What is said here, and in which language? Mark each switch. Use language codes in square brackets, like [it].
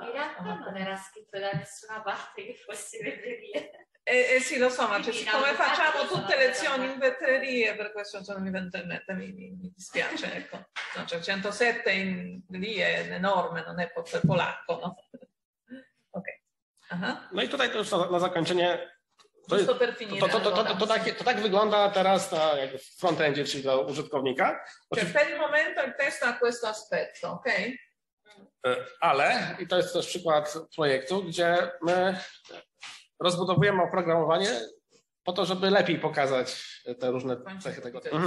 [it] In realtà non era scritto da nessuna parte che fosse vetrerie. Sì, lo so, ma siccome facciamo tutte lezioni in vetrerie, per questo non mi vento in mente, mi dispiace, ecco. No, cioè 107 lì è enorme, non è per polacco, no? Ok. [pl] No i tutaj to na zakończenie... [it] Giusto per finire. [pl] To tak wygląda teraz na front-endzie, czyli dla użytkownika. [it] Cioè per il momento il testo ha questo aspetto, ok? [pl] Ale, i to jest też przykład projektu, gdzie my... rozbudowujemy oprogramowanie po to, żeby lepiej pokazać te różne cechy tego.